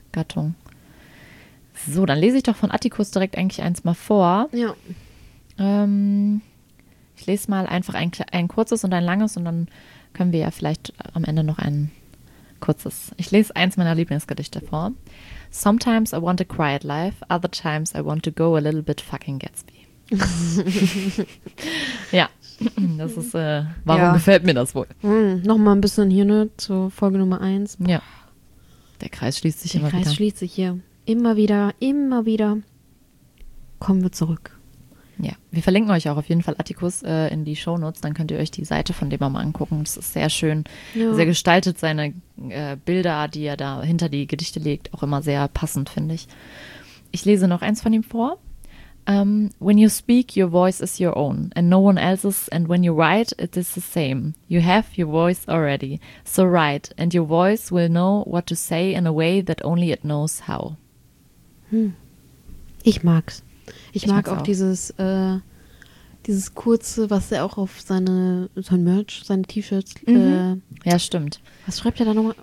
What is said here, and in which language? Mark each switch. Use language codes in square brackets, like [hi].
[de] Gattung. So, dann lese ich doch von Atticus direkt eigentlich eins mal vor. Ja. Ich lese mal einfach ein kurzes und ein langes und dann können wir ja vielleicht am Ende noch ein kurzes. Ich lese eins meiner Lieblingsgedichte vor. [en] Sometimes I want a quiet life, other times I want to go a little bit fucking Gatsby. [de] Ja, das ist, warum gefällt mir das wohl? Nochmal ein bisschen hier, ne, zur Folge Nummer 1. Ja, der Kreis schließt sich der immer Kreis wieder. Der Kreis schließt sich hier. Immer wieder kommen wir zurück. Ja, wir verlinken euch auch auf jeden Fall Atticus in die Shownotes, dann könnt ihr euch die Seite von dem auch mal angucken. Das ist sehr schön, sehr gestaltet, seine Bilder, die er da hinter die Gedichte legt, auch immer sehr passend, finde ich. Ich lese noch eins von ihm vor. [en] When you speak, your voice is your own, and no one else's, and when you write, it is the same. You have your voice already, so write, and your voice will know what to say in a way that only it knows how. [de] Ich mag's. Ich mag auch dieses kurze, was er auch auf sein Merch, seine T-Shirts. Ja, stimmt. Was schreibt er da nochmal?